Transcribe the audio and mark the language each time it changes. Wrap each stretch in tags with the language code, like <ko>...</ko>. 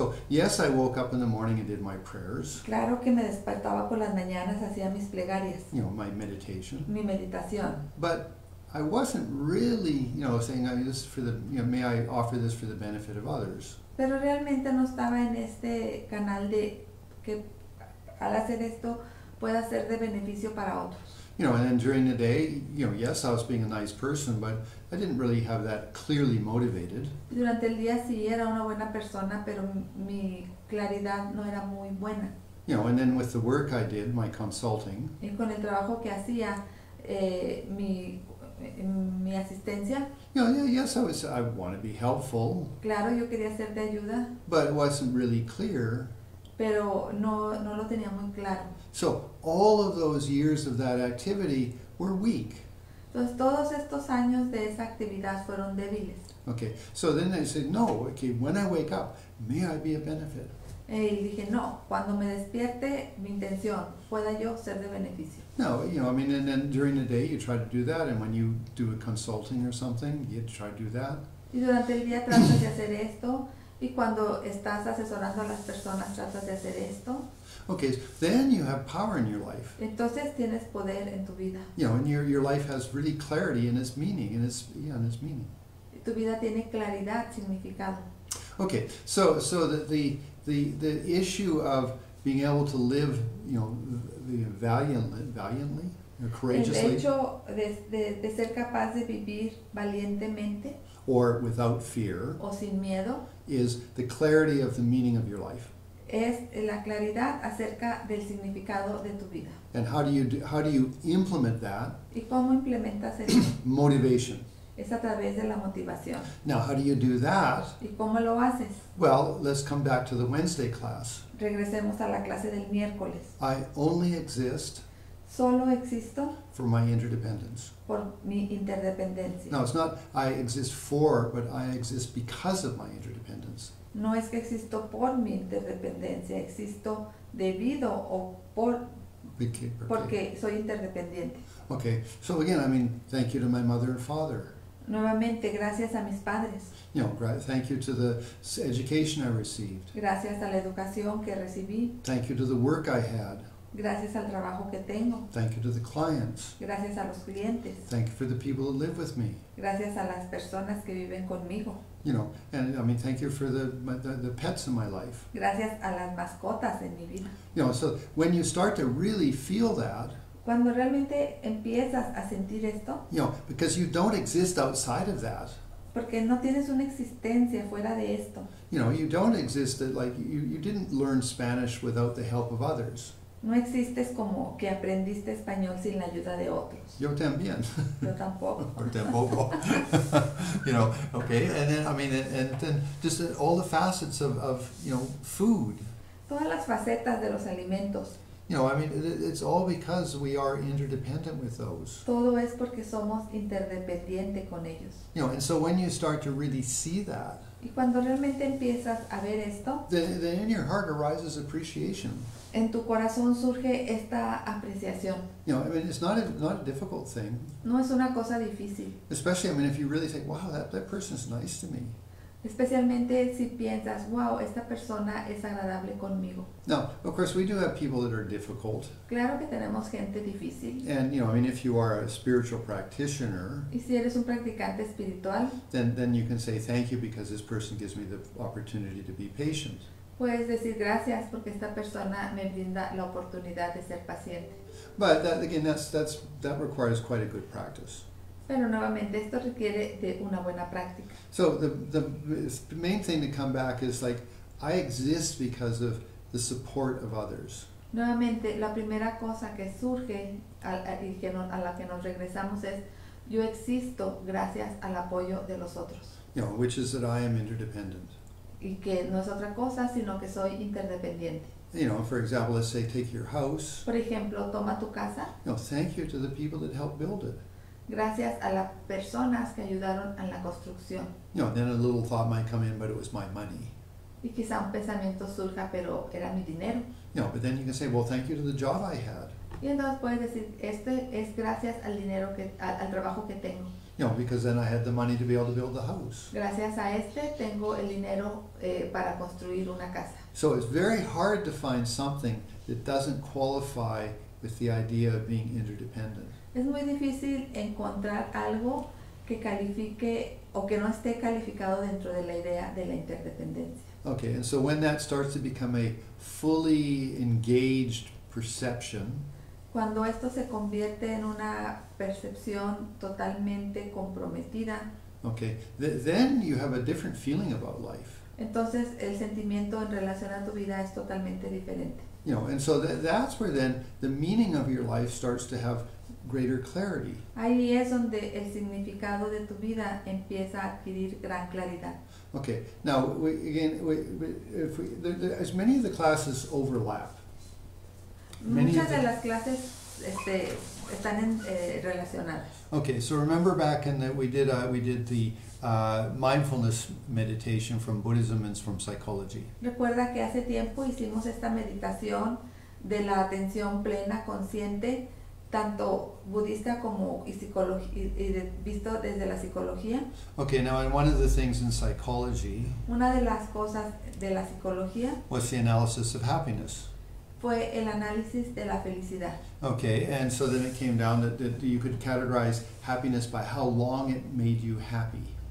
<en>Yes, I woke up in the morning and did my prayers.</en> <es>Claro que me despertaba por las mañanas, hacía mis plegarias.</es> <en>My meditation.</en> <es>Mi meditación.</es> <en>But I wasn't really, saying, I mean, this is for the, may I offer this for the benefit of others.</en> <es>Pero realmente no estaba en este canal de que al hacer esto pueda ser de beneficio para otros.</es> <en>You know, and then during the day, you know, yes, I was being a nice person, but I didn't really have that clearly motivated.</en> <es>Durante el día sí era una buena persona, pero mi claridad no era muy buena.</es> <en>You know, and then with the work I did, my consulting.</en> <es>Y con el trabajo que hacía, mi asistencia.</es> <en>You know, yes, I want to be helpful.</en> <es>Claro, yo quería hacerte ayuda.</es> <en>But it wasn't really clear.</en> <es>Pero no lo tenía muy claro.</es> <en>So all of those years of that activity were weak.</en> <es>Entonces todos estos años de esa actividad fueron débiles.</es> <en>Okay, so then I said, no, okay, when I wake up, may I be a benefit?</en> <es>Y dije, no, cuando me despierte, mi intención, pueda yo ser de beneficio.</es> <en>No, you know, I mean, and then during the day you try to do that, and when you do a consulting or something, you try to do that.</en> <es>Y durante el día tratas de hacer esto, y cuando estás asesorando a las personas, tratas de hacer esto.</es> <en>Okay, then you have power in your life.</en> <es>Entonces tienes poder en tu vida.</es> <en>You know, and your life has really clarity in its meaning, in its, yeah, in its meaning.</en> <es>Tu vida tiene claridad, significado.</es> <en>Okay, so the issue of being able to live, you know, valiantly, or courageously.</en> <es>El hecho de ser capaz de vivir valientemente.</es> <en>Or without fear.</en> <es>O sin miedo.</es> <en>Is the clarity of the meaning of your life.</en> <es>Es la claridad acerca del significado de tu vida.</es> <en>And how do you implement that?</en> <es>¿Y cómo implementas eso?</es> <en>Motivation.</en> <es>Es a través de la motivación.</es> <en>Now, how do you do that?</en> <es>¿Y cómo lo haces?</es> <en>Well, let's come back to the Wednesday class.</en> <es>Regresemos a la clase del miércoles.</es> <en>I only exist.</en> <es>Solo existo.</es> <en>For my interdependence.</en> <es>Por mi interdependencia.</es> <en>Now, it's not I exist for, but I exist because of my interdependence.</en> <es>No es que existo por mi interdependencia, existo debido o por porque soy interdependiente.</es> <en>Okay, so again, I mean, thank you to my mother and father.</en> <es>Nuevamente, gracias a mis padres.</es> <en>You know, thank you to the education I received.</en> <es>Gracias a la educación que recibí.</es> <en>Thank you to the work I had.</en> <es>Gracias al trabajo que tengo.</es> <en>Thank you to the clients.</en> <es>Gracias a los clientes.</es> <en>Thank you for the people that live with me.</en> <es>Gracias a las personas que viven conmigo.</es> <en>You know, and I mean, thank you for the pets in my life.</en> <es>Gracias a las mascotas en mi vida.</es> <en>You know, so when you start to really feel that.</en> <es>Cuando realmente empiezas a sentir esto.</es> <en>You know, because you don't exist outside of that.</en> <es>Porque no tienes una existencia fuera de esto.</es> <en>You know, you don't exist that, like you didn't learn Spanish without the help of others.</en> <es>No existes como que aprendiste español sin la ayuda de otros. Yo también. Yo tampoco.</es> <en>Or tampoco. You know, okay. And then, I mean, and then just all the facets of, you know, food.</en> <es>Todas las facetas de los alimentos.</es> <en>You know, I mean, it's all because we are interdependent with those.</en> <es>Todo es porque somos interdependiente con ellos.</es> <en>You know, and so when you start to really see that.</en> <es>Y cuando realmente empiezas a ver esto.</es> <en>Then in your heart arises appreciation.</en> <es>En tu corazón surge esta apreciación.</es> <en>You know, I mean, it's not a difficult thing.</en> <es>No es una cosa difícil.</es> <en>Especially, I mean, if you really think, wow, that person is nice to me.</en> <es>Especialmente si piensas, wow, esta persona es agradable conmigo.</es> <en>Now, of course, we do have people that are difficult.</en> <es>Claro que tenemos gente difícil.</es> <en>And, you know, I mean, if you are a spiritual practitioner.</en> <es>Y si eres un practicante espiritual.</es> <en>Then you can say thank you because this person gives me the opportunity to be patient.</en> <es>Puedes decir gracias porque esta persona me brinda la oportunidad de ser paciente.</es> <en>But that, again, that requires quite a good practice.</en> <es>Pero nuevamente esto requiere de una buena práctica.</es> <en>So the main thing to come back is like I exist because of the support of others.</en> <es>Nuevamente la primera cosa que surge a la que nos regresamos es yo existo gracias al apoyo de los otros.</es> <en>You know, which is that I am interdependent.</en> <es>Y que no es otra cosa, sino que soy interdependiente.</es> <en>You know, for example, let's say take your house.</en> <es>Por ejemplo, toma tu casa.</es> <en>No, thank you to the people that helped build it.</en> <es>Gracias a las personas que ayudaron en la construcción.</es> <en>You know, then a little thought might come in, but it was my money.</en> <es>Y quizá un pensamiento surja, pero era mi dinero.</es> <en>You know, but then you can say, well, thank you to the job I had.</en> <es>Y entonces puedes decir, este es gracias al dinero que, al trabajo que tengo.</es> <en>You know, because then I had the money to be able to build the house.</en> <es>Gracias a este tengo el dinero para construir una casa.</es> <en>So it's very hard to find something that doesn't qualify with the idea of being interdependent.</en> <es>Es muy difícil encontrar algo que califique o que no esté calificado dentro de la idea de la interdependencia.</es> <en>Okay, and so when that starts to become a fully engaged perception.</en> <es>Cuando esto se convierte en una percepción totalmente comprometida,</es> <en>Okay, then you have a different feeling about life.</en> <es>entonces el sentimiento en relación a tu vida es totalmente diferente.</es> <en>And so that's where then the meaning of your life starts to have greater clarity.</en> <es>Ahí es donde el significado de tu vida empieza a adquirir gran claridad.</es> <en>Okay, now if we, as many of the classes overlap, many of</en> <es>Muchas de</es> <en>the</en> <es>las clases, están en, relacionadas.</es> <en>Okay, so remember back in that we did the mindfulness meditation from Buddhism and from psychology.</en> <es>Recuerda que hace tiempo hicimos esta meditación de la atención plena consciente, tanto budista como visto desde la psicología.</es> <en>Okay, now in one of the things in psychology</en> <es>Una de las cosas de la psicología</es> <en>was the analysis of happiness.</en> <es>fue el análisis de la felicidad.</es> <en>Okay, and so then it came down that you could categorize happiness by how long it made you happy.</en>